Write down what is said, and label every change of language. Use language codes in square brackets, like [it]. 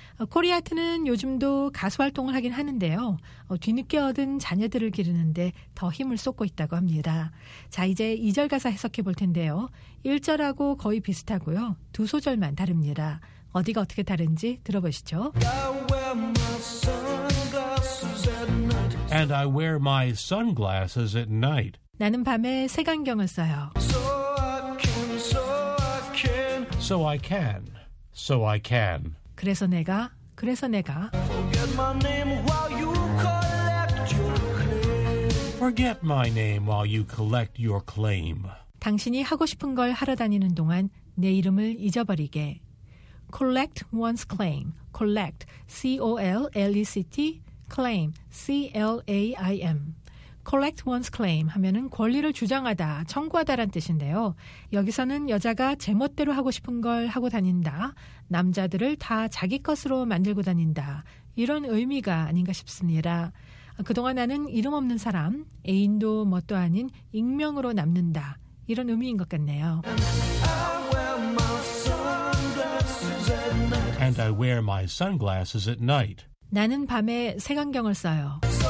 [ko] 코리아트는 요즘도 가수 활동을 하긴 하는데요. 뒤늦게 얻은 자녀들을 기르는데 더 힘을 쏟고 있다고 합니다. 자, 이제 2절 가사 해석해 볼 텐데요. 1절하고 거의 비슷하고요. 두 소절만 다릅니다. 어디가 어떻게 다른지 들어보시죠. [en] And I wear my sunglasses at night. [ko] 나는 밤에 색안경을 써요. [en] So I can. [ko] 그래서 내가. [en] Forget my name while you collect your claim. [ko] 당신이 하고 싶은 걸 하러 다니는 동안 내 이름을 잊어버리게. [en] Collect one's claim. Collect, C-O-L-L-E-C-T, claim, C-L-A-I-M. Collect one's claim [ko] 하면은 권리를 주장하다, 청구하다란 뜻인데요. 여기서는 여자가 제멋대로 하고 싶은 걸 하고 다닌다, 남자들을 다 자기 것으로 만들고 다닌다 이런 의미가 아닌가 싶습니다. 그동안 나는 이름 없는 사람, 애인도 멋도 아닌 익명으로 남는다 이런 의미인 것 같네요. [en] And I wear my sunglasses at night. [ko] 나는 밤에 색안경을 써요.